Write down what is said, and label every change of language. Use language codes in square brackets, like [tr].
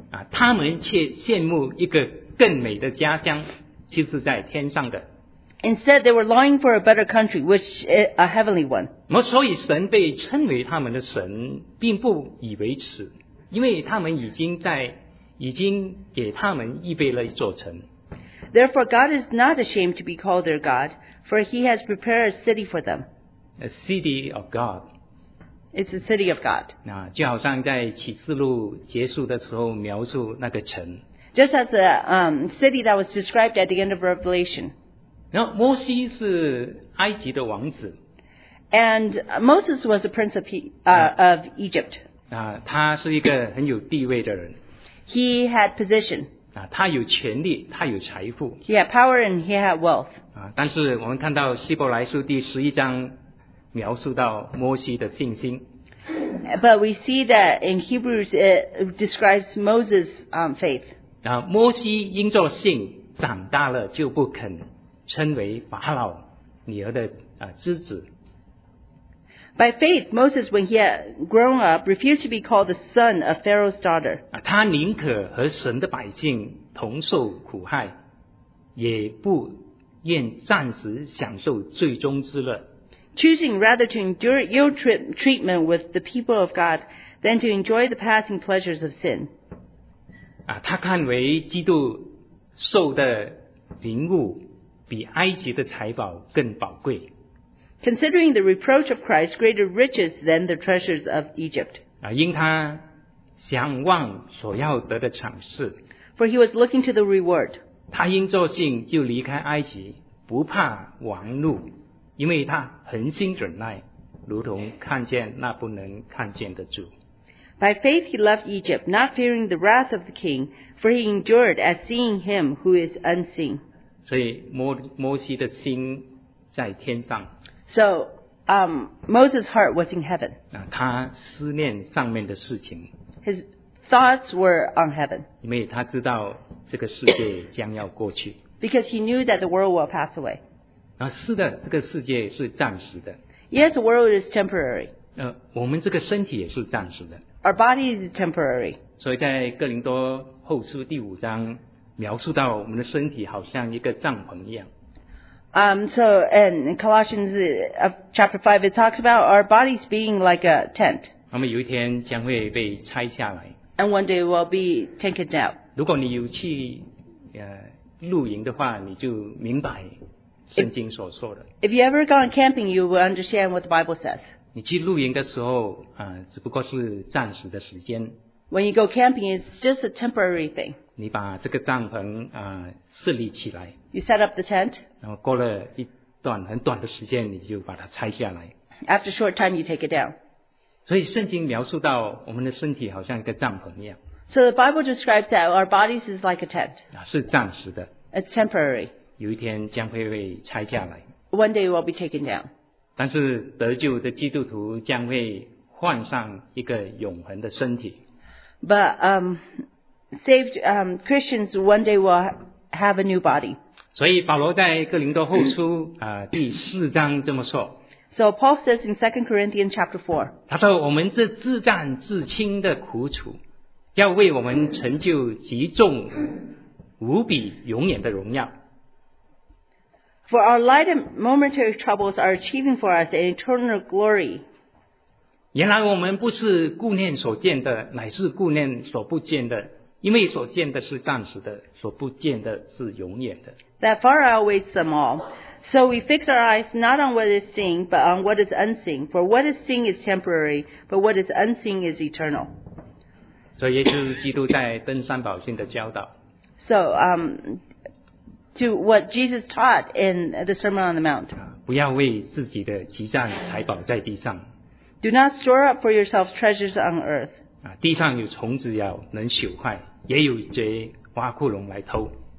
[zh] 他们却羡慕一个更美的家乡，就是在天上的。 [en] Instead, they were longing for a better country, which is a heavenly one. [zh] 所以神被称为他们的神，并不以为耻，因为他们已经给他们预备了一座城。 [en] Therefore, God is not ashamed to be called their God, for He has prepared a city for them. A city of God. It's a city of God. [zh] 那就好像在启示录结束的时候描述那个城。 [en] Just as a city that was described at the end of Revelation. [zh] 那摩西是埃及的王子。 [en] And Moses was a prince of Egypt. [zh] 那他是一个很有地位的人。 [en] He had position. [zh] 他有权力，他有财富。 [en] He had power and he had wealth. [zh] 但是我们看到希伯来书第十一章描述到摩西的信心。 [en] But we see that in Hebrews it describes Moses' faith. [zh] 摩西因着信长大了，就不肯称为法老女儿的之子。 [en] By faith, Moses, when he had grown up, refused to be called the son of Pharaoh's daughter. [zh] 他宁可和神的百姓同受苦害，也不愿暂时享受最终之乐。 [en] Choosing rather to endure ill treatment with the people of God than to enjoy the passing pleasures of sin. [zh] 他看为基督受的凌辱比埃及的财宝更宝贵。 [en] Considering the reproach of Christ greater riches than the treasures of Egypt. [zh] 因他想望所要得的赏赐。 [en] For he was looking to the reward. [zh] 他因作信就离开埃及，不怕王怒，因为他恒心忍耐，如同看见那不能看见的主。 [en] By faith he left Egypt, not fearing the wrath of the king, for he endured as seeing him who is unseen. [zh] 所以摩西的心在天上。 [en] So Moses' heart was in heaven. [zh] 他思念上面的事情。 [en] His thoughts were on heaven. [zh] 因为他知道这个世界将要过去。 [en] Because he knew that the world will pass away. [zh] 是的，这个世界是暂时的。 [en] Yes, the world is temporary. [zh] 我们这个身体也是暂时的。 [en] Our body is temporary. [zh] 所以在哥林多后书第五章描述到我们的身体好像一个帐篷一样。 [en] So in Colossians chapter 5, it talks about our bodies being like a tent. [zh] 我们有一天将会被拆下来。 [en] And one day we'll be taken down. [zh] 如果你有去露营的话，你就明白圣经所说的。 [en] If you ever gone camping, you will understand what the Bible says. [zh] 你去露营的时候，只不过是暂时的时间。 [en] When you go camping, it's just a temporary thing. [zh] 你把这个帐篷设立起来。 [en] You set up the tent. [zh] 然后过了一段很短的时间，你就把它拆下来。 [en] After a short time, you take it down. [zh] 所以圣经描述到我们的身体好像一个帐篷一样。 [en] So the Bible describes that our bodies is like a tent. [zh] 是暂时的。 [en] It's temporary. [zh] 有一天将会被拆下来。 [en] One day it will be taken down. [zh] 但是得救的基督徒将会换上一个永恒的身体。 [en] But saved Christians one day will have a new body. [zh] 所以保罗在哥林多后书第四章这么说。 [en] So Paul says in 2 Corinthians chapter 4. [zh] 他说我们这自战自轻的苦楚要为我们成就极重无比永远的荣耀。 [en] For our light and momentary troubles are achieving for us an eternal glory. [zh] 原来我们不是顾念所见的，乃是顾念所不见的，因为所见的是暂时的，所不见的是永远的。 [en] That far outweighs them all. So we fix our eyes not on what is seen, but on what is unseen. For what is seen is temporary, but what is unseen is eternal. [zh] 所以就是基督在登山宝训的教导。 [en] So, to what Jesus taught in the Sermon on the Mount. [zh] 不要为自己的积攒财宝在地上。 [en] Do not store up for yourself treasures on earth. [zh] 地上有虫子咬能朽坏，也有贼挖窟窿来偷。